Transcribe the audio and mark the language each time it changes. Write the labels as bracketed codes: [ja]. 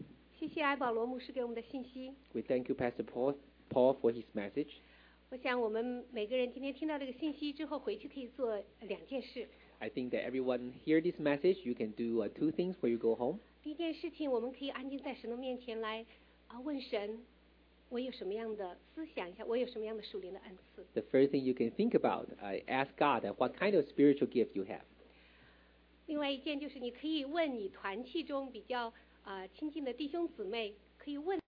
[zh] 谢谢埃保罗牧师给我们的信息。 [en] We thank you, Pastor Paul, for his message. [zh] 我想我们每个人今天听到这个信息之后，回去可以做两件事。 [en] I think that everyone hear this message, you can do two things when you go home. [zh] 第一件事情，我们可以安静在神的面前来问神，我有什么样的思想一下，我有什么样的属灵的恩赐。 [en] The first thing you can think about, ask God what kind of spiritual gift you have. [zh] 另外一件就是你可以问你团契中比较亲近的弟兄姊妹，可以问。